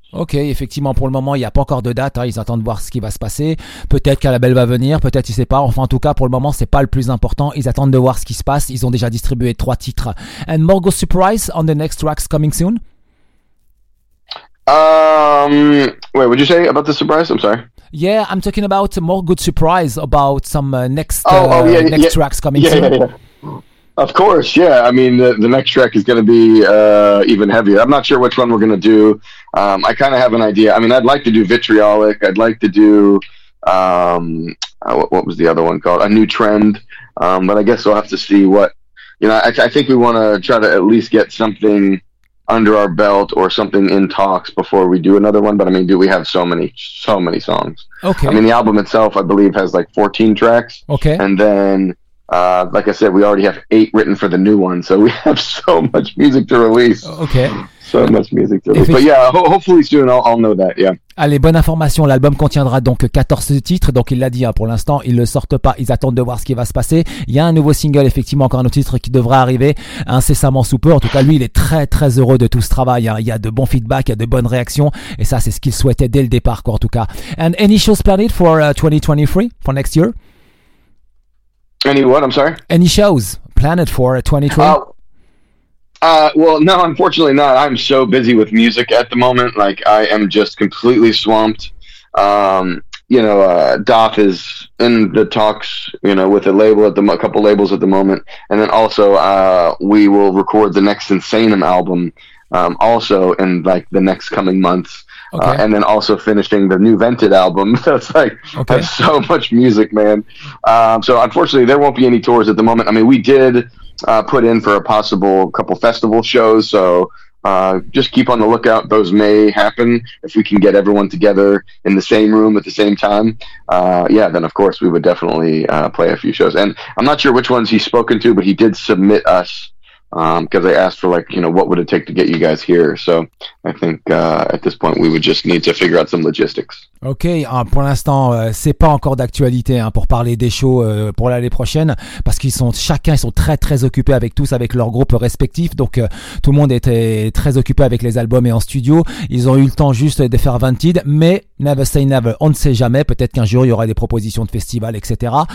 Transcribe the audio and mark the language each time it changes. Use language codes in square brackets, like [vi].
[fr] Ok, effectivement, pour le moment, il n'y a pas encore de date. Hein, ils attendent de voir ce qui va se passer. Peut-être qu'un label va venir, peut-être ils ne savent pas. Enfin, en tout cas, pour le moment, c'est pas le plus important. Ils attendent de voir ce qui se passe. Ils ont déjà distribué 3 titres. [en] And Morgoth Surprise on the next tracks coming soon. Wait, what did you say about the surprise? I'm sorry. Yeah, I'm talking about Morgoth Surprise about some next tracks coming soon. Yeah. Of course, yeah. I mean, the next track is going to be even heavier. I'm not sure which one we're going to do. I kind of have an idea. I mean, I'd like to do Vitriolic. I'd like to do, what was the other one called? A New Trend. But I guess we'll have to see what, you know, I think we want to try to at least get something under our belt or something in talks before we do another one. But I mean, do we have so many songs? Okay. I mean, the album itself, I believe, has like 14 tracks. Okay. And then... like I said, we already have 8 written for the new one, so we have so much music to release. Okay. So much music to release. But yeah, hopefully soon I'll know that, yeah. [fr] Allez, bonne information, l'album contiendra donc 14 titres, donc il l'a dit, hein, pour l'instant, ils ne le sortent pas, ils attendent de voir ce qui va se passer. Il y a un nouveau single, effectivement, encore un autre titre qui devrait arriver incessamment sous peu. En tout cas, lui, il est très très heureux de tout ce travail, hein. Il y a de bons feedbacks, il y a de bonnes réactions, et ça, c'est ce qu'il souhaitait dès le départ, quoi, en tout cas. [en] And any shows planned for 2023, for next year? Any what? I'm sorry? Any shows planned for 2020? No, unfortunately not. I'm so busy with music at the moment. Like, I am just completely swamped. You know, Doth is in the talks, you know, with a label at the a couple labels at the moment, and then also we will record the next Insanum album, also in like the next coming months. Okay. And then also finishing the new Vented album. That's like, okay. That's so much music, man. So unfortunately, there won't be any tours at the moment. I mean, we did put in for a possible couple festival shows. So just keep on the lookout. Those may happen if we can get everyone together in the same room at the same time. Yeah, then of course we would definitely play a few shows. And I'm not sure which ones he's spoken to, but he did submit us. Because they asked for, like, you know, what would it take to get you guys here? So I think at this point, we would just need to figure out some logistics. [fr] Ok, pour l'instant, c'est pas encore d'actualité hein, pour parler des shows pour l'année prochaine, parce qu'ils sont chacun, ils sont très très occupés avec tous, avec leurs groupes respectifs, donc tout le monde était très occupé avec les albums et en studio. Ils ont eu le temps juste de faire Vented, mais [en] never say never, [fr] on ne sait jamais, peut-être qu'un jour il y aura des propositions de festivals, etc.